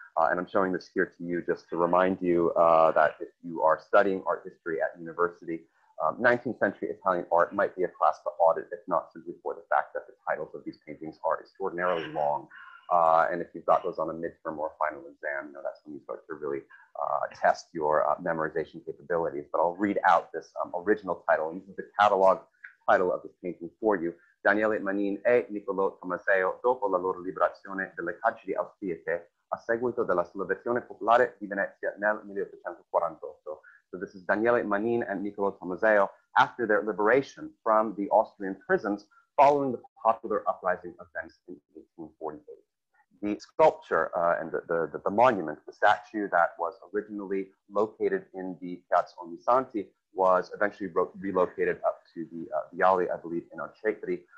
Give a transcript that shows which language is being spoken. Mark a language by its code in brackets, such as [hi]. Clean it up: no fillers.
[en] And I'm showing this here to you just to remind you that if you are studying art history at university, 19th century Italian art might be a class to audit, if not simply for the fact that the titles of these paintings are extraordinarily long. And if you've got those on a midterm or a final exam, you know, that's when you start to really test your memorization capabilities. But I'll read out this original title, and this is the catalog title of this painting for you. [it] Daniele Manin e Niccolò Tomaseo, dopo la loro liberazione delle carceri austriache, a seguito della sollevazione popolare di Venezia nel 1848. [en] So this is Daniele Manin and Niccolò Tomaseo after their liberation from the Austrian prisons following the popular uprising of Venice in 1848. The sculpture and the monument, the statue that was originally located in the Piazza Ognissanti, was eventually relocated up to the Viale, I believe, in Arcetri.